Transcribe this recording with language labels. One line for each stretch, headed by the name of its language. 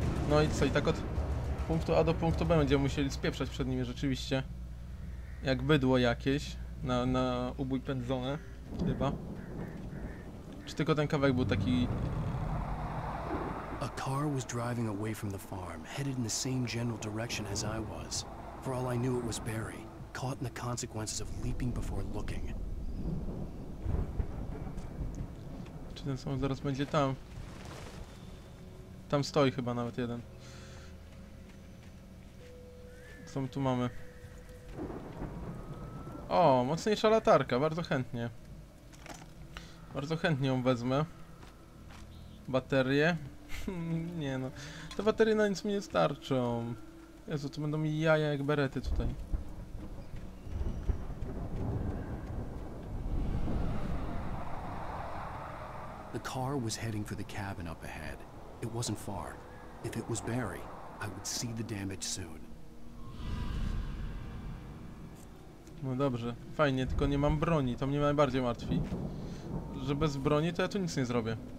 Polish: No i co, i tak od punktu A do punktu B będziemy musieli spieprzać przed nimi rzeczywiście. Jak bydło jakieś, na ubój pędzone, chyba. Czy tylko ten kawałek był taki...
English: A car was driving away from the farm, headed in the same general direction as I was. For all I knew it was Barry, caught in the consequences of leaping before looking.
Polish: Czy ten samochód zaraz będzie tam? Tam stoi chyba nawet jeden. Co my tu mamy? O, mocniejsza latarka, bardzo chętnie. Bardzo chętnie ją wezmę. Baterie? Nie no, te baterie na nic mi nie starczą. Jezu, to będą mi jaja jak berety tutaj.
English: The car was heading for the cabin up ahead. It wasn't far. If it was Barry, I would see the damage soon.
Polish: No dobrze, fajnie, tylko nie mam broni, to mnie najbardziej martwi. Że bez broni to ja tu nic nie zrobię.